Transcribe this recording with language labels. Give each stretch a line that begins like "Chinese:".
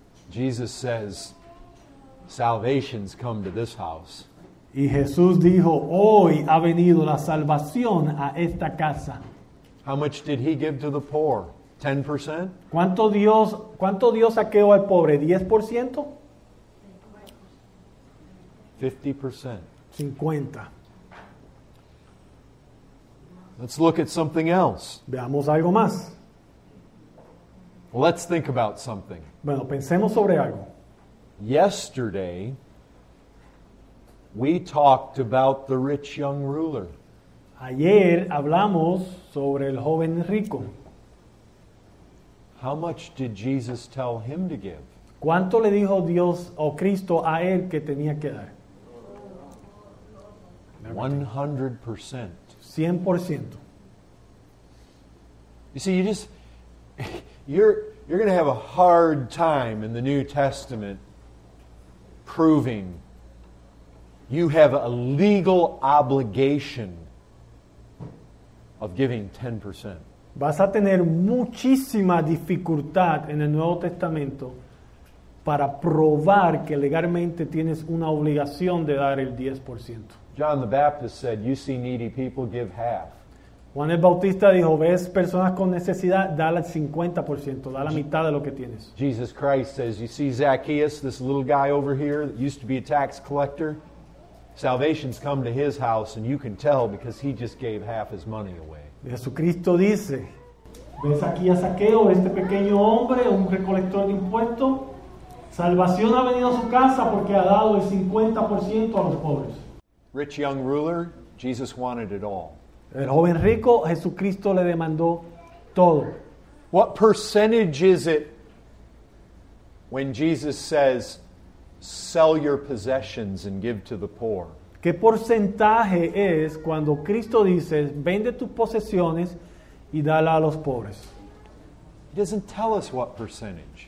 English: Jesus says, salvation's come to this house.
Spanish: Y Jesús dijo, hoy ha venido la salvación a esta casa.
English: How much did he give to the poor? 10%?
Spanish: ¿Cuánto dio Zaqueo al pobre? 10%?
English: 50%.
Spanish: 50.
English: Let's look at something else.
Spanish: Veamos algo más.
English: Let's think about something.
Spanish: Bueno, pensemos sobre algo.
English: Yesterday, we talked about the rich young ruler.
Spanish: Ayer hablamos sobre el joven rico.
English: How much did Jesus tell him to give?
Spanish: ¿Cuánto le dijo Dios o Cristo a él que tenía que dar?
English: 100%.
Spanish: 100%.
English: You see, you're going to have a hard time in the New Testament proving you have a legal obligation of giving 10%.
Spanish: Vas a tener muchísima dificultad en el Nuevo Testamento para probar que legalmente tienes una obligación de dar el 10%.
English: John the Baptist said, you see needy people, give half.
Spanish: Juan el Bautista dijo, ves personas con necesidad, dale el 50%, da la mitad de lo que tienes.
English: Jesus Christ says, you see Zacchaeus, this little guy over here that used to be a tax collector, salvation's come to his house, and you can tell because he just gave half his money away.
Spanish: Jesucristo dice, ves aquí a Zaqueo, este pequeño hombre, un recolector de impuestos. Salvación ha venido a su casa porque ha dado el 50% a los pobres.
English: Rich young ruler, Jesus wanted it all.
Spanish: El joven rico, Jesucristo le demandó todo.
English: What percentage is it when Jesus says, sell your possessions and give to the poor?
Spanish: ¿Qué porcentaje es cuando Cristo dice, vende tus posesiones y dala a los pobres?
English: He doesn't tell us what percentage.